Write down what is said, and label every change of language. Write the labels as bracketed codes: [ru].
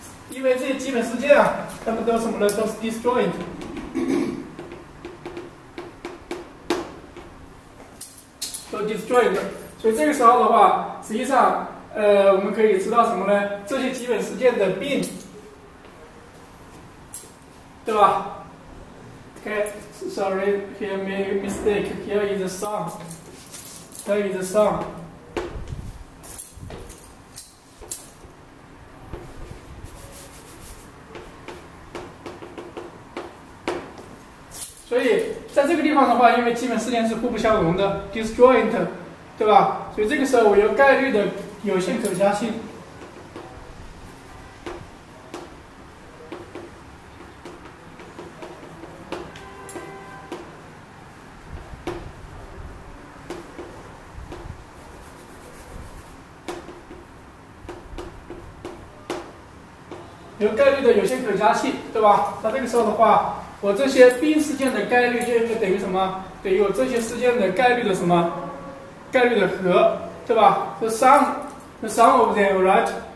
[zh] 因为这些基本事件啊，它们都什么呢？都是 disjoint。都 destroyed，所以这个时候的话，实际上，我们可以知道什么呢？这些基本事件的 [en] bin， [zh] 对吧？ [en] OK，sorry，here、okay, make mistake，here is a sum，here is a sum。 [zh] 所以在这个地方的话，因为基本事件是互不相容的，disjoint，对吧？所以这个时候我有概率的有限可加性。有概率的有限可加性，对吧？那这个时候的话。我这些 bin 事件的概率就应该等于什么？等于我这些事件的概率的什么？概率的和，对吧？ [en] The sum of them, right?